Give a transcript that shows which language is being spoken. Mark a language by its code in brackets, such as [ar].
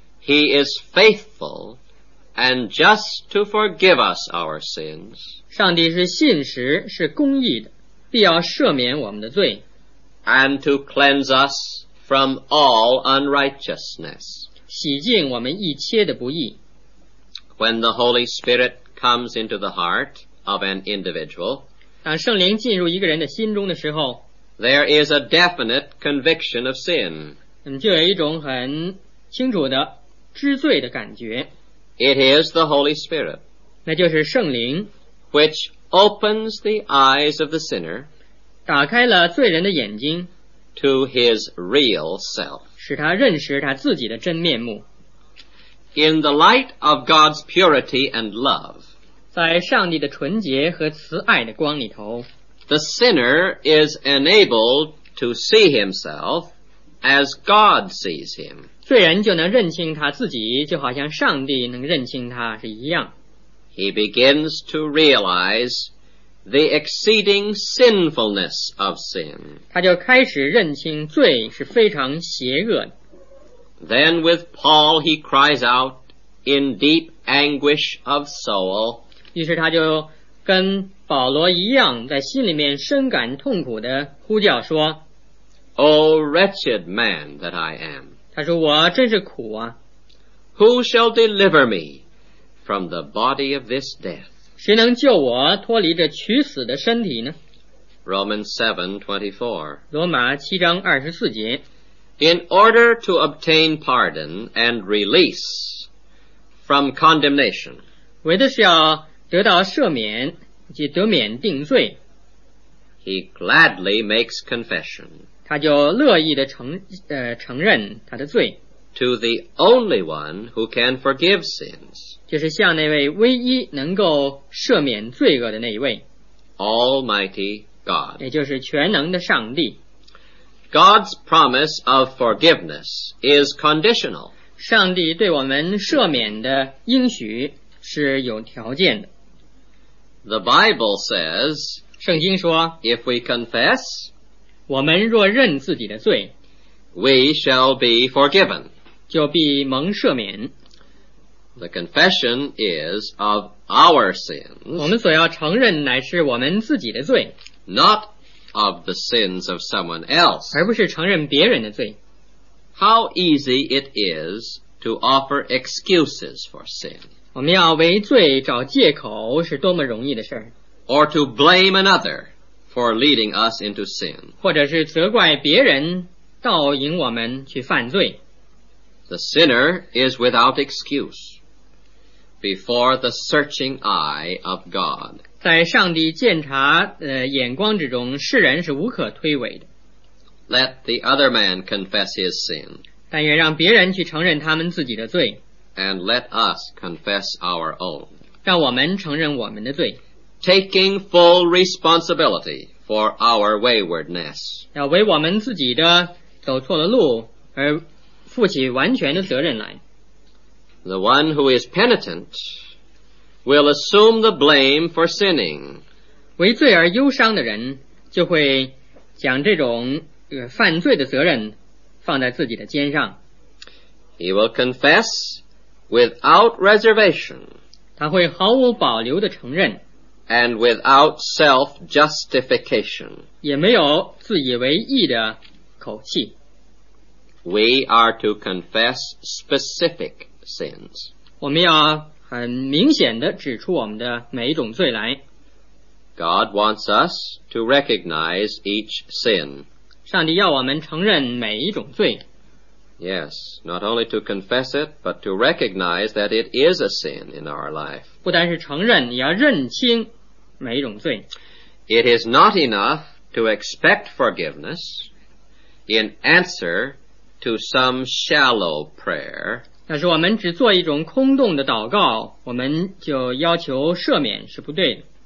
[en] He is faithful and just to forgive us our sins. [zh] 上帝是信实是公义的必要赦免我们的罪。 [en] And to cleanse us from all unrighteousness. [zh] 洗净我们一切的不义。 [en] When the Holy Spirit comes into the heart of an individual, [zh] 当圣灵进入一个人的心中的时候, [en] there is a definite conviction of sin. [zh] 就有一种很清楚的知罪的感觉。 [en] It is the Holy Spirit, [zh] 那就是圣灵, [en] which opens the eyes of the sinner, [zh] 打开了罪人的眼睛, [en] to his real self. [zh] 使他认识他自己的真面目。 [en] In the light of God's purity and love, [zh] 在上帝的纯洁和慈爱的光里头, [en] the sinner is enabled to see himself as God sees him. [zh] 罪人就能认清他自己就好像上帝能认清他是一样。 [en] He begins to realize the exceeding sinfulness of sin. [zh] 他就开始认清罪是非常邪恶的。 [en] Then with Paul he cries out in deep anguish of soul. [zh] 于是他就跟保罗一样在心里面深感痛苦的呼叫说 [en] O wretched man that I am. [zh] 他说我真是苦啊。 [en] Who shall deliver me from the body of this death? [zh] 谁能救我脱离这取死的身体呢？ [en] Romans 7:24 [zh] 罗马七章二十四节。 [en] In order to obtain pardon and release from condemnation， [zh] 为的是要得到赦免及得免定罪。 [en] He gladly makes confession， [zh] 他就乐意的 承认他的罪。 [en] To the only one who can forgive sins， [zh] 就是向那位唯一能够赦免罪恶的那一位， [en] Almighty God， [zh] 也就是全能的上帝。 [en] God's promise of forgiveness is conditional， [zh] 上帝对我们赦免的应许是有条件的。 [en] The Bible says， [zh] 圣经说， [en] If we confess， [zh] 我们若认自己的罪， [en] We shall be forgiven， [zh] 就必蒙赦免。 [en] The confession is of our sins， [zh] 我们所要承认乃是我们自己的罪， [en] Not of the sins of someone else， [zh] 而不是承认别人的罪。 [en] How easy it is to offer excuses for sin， [zh] 我们要为罪找借口是多么容易的事。 [en] Or to blame another for leading us into sin， [zh] 或者是责怪别人导引我们去犯罪。 [en] The sinner is without excuse before the searching eye of God， [zh] 在上帝鉴察眼光之中，世人是无可推诿的。 [en] Let the other man confess his sin， [zh] 但愿让别人去承认他们自己的罪。 [en] And let us confess our own， [zh] 让我们承认我们的罪。 [en] Taking full responsibility for our waywardness， [zh] 要为我们自己的走错了路而负起完全的责任来。 [en] The one who is penitent will assume the blame for sinning， [zh] 为罪而忧伤的人就会将这种犯罪的责任放在自己的肩上。 [en] He will confess without reservation， [zh] 他会毫无保留的承认。 [en] And without self-justification， [zh] 也没有自以为意的口气。 [en] We are to confess specific sins， [zh] 我们要很明显地指出我们的每一种罪来。 [en] God wants us to recognize each sin， [zh] 上帝要我们承认每一种罪。 [en] Yes， not only to confess it but to recognize that it is a sin in our life， [zh] 不单是承认，也要认清每一种罪。 [en] It is not enough to expect forgiveness in answer to some shallow prayer， [zh] 但是我们只做一种空洞的祷告，我们就要求赦免是不对的。